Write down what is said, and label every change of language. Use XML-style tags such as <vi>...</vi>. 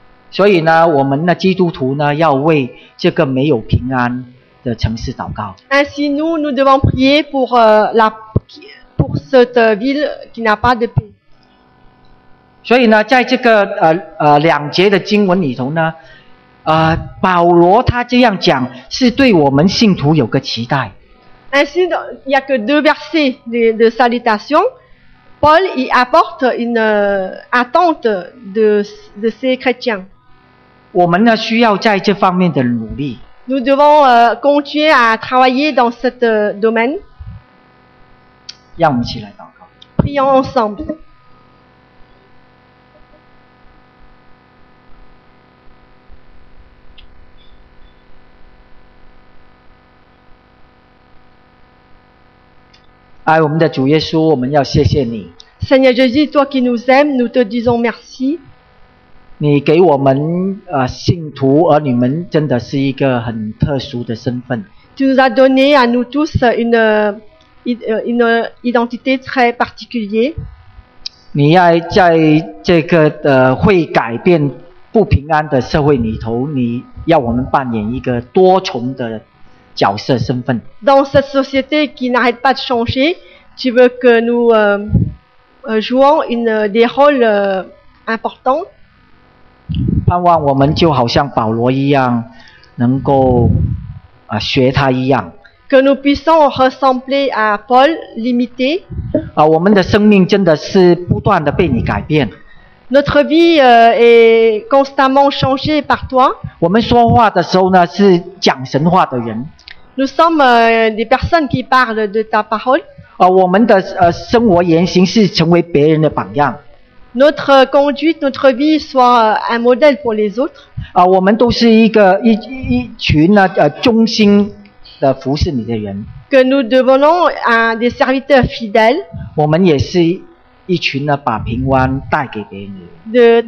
<zh>所以呢，我们的基督徒呢，要为这个没有平安的城市祷告。</zh> <fr>Ainsi, nous devons prier pour cette ville qui n'a pas de paix.</fr> <zh>所以呢，在这个两节的经文里头呢，保罗他这样讲，是对我们信徒有个期待。</zh> <fr>Ainsi, il n'y a que deux versets de salutation. Paul y apporte une attente de ces chrétiens.</fr> <zh>我们呢需要在这方面的努力。</zh> <fr>Nous devons continuer à travailler dans ce domaine.</fr> <zh>让我们一起来祷告。</zh> <fr>Prions ensemble.</fr> <zh>爱我们的主耶稣，我们要谢谢你。</zh> <fr>Seigneur Jésus, toi qui nous aimes, nous te disons merci.</fr> <zh>你给我们信徒儿女们真的是一个很特殊的身份。</zh> <fr>Tu nous as donné à nous tous une identité très particulière.</fr> <zh>你要在这个会改变不平安的社会里头，你要我们扮演一个多重的。角色身份。</zh> <fr>Dans cette société qui n'arrête pas de changer, tu veux que nous jouions des rôles importants.</fr> <zh>盼望我们就好像保罗一样，能够学他一样。</zh> <fr>Que nous puissions ressembler à Paul, l'imiter.</fr> <zh>我们的生命真的是不断的被你改变。</zh> <fr>Notre vie est constamment changée par toi.</fr> <zh>我们说话的时候呢，是讲神话的人。</zh> <fr>Nous sommes des personnes qui parlent de ta parole.</fr> <zh>我们的生活言行是成为别人的榜样。</zh> <fr>Notre conduite, notre vie soit un modèle pour les autres.</fr> <zh>我们都是一群呢忠心的服侍你的人。</zh> <fr>Que nous devenons des serviteurs fidèles.</fr> <zh>我们也是一群呢把平安带给别人。</zh>